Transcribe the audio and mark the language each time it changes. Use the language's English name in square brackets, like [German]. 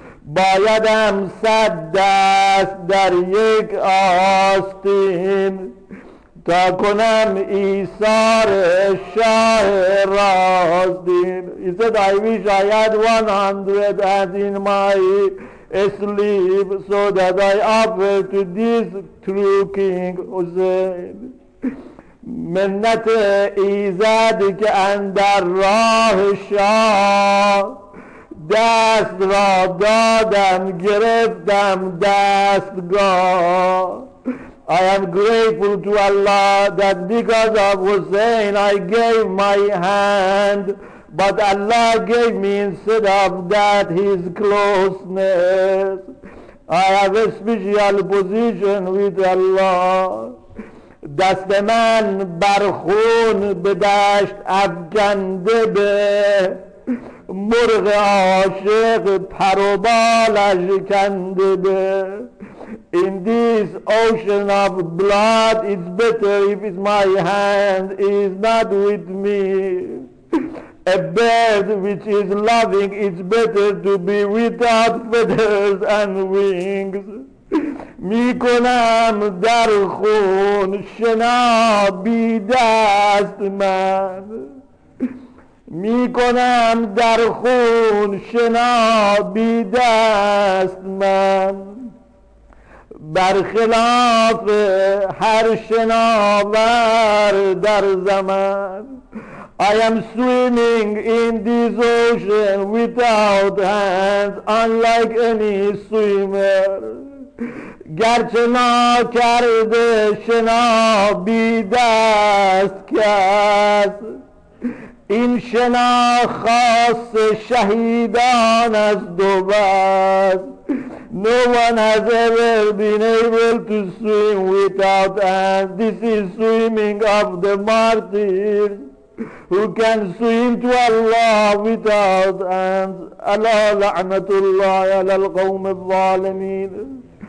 [Persian] Bayadam sad dast dar yek astin, ta kunam isar shah rastin. [English] He said, I wish I had 100 hands in my asleep so that I offer to this true king Hussein. [Persian] منت ایزد که اندر راه شاه دست را دادم گرفتم دستگاه. [English] I am grateful to Allah that because of Hussein I gave my hand, but Allah gave me instead of that his closeness. I have a special position with Allah. [Persian] دست من بر خون به دشت افگنده به مرغ عاشق پر و بالش کنده به. [English] In this ocean of blood it's better if my hand is not with me. A bird which is loving, it's better to be without feathers and wings. [Persian] میکنم در خون شنا بی دست من، میکنم در خون شنا بی دست من، برخلاف هر شناور در زمان. [English] I am swimming in this ocean without hands, unlike any swimmer. [Persian] گرچه نا کرده شنا بی دست کس، این شنا خاص شهیدان از دوباره. [English] No one has ever been able to swim without hands. This is swimming of the martyrs who can swim to Allah without hands. [Arabic] Ala la'natullahi ala al-qawm al-zalimin.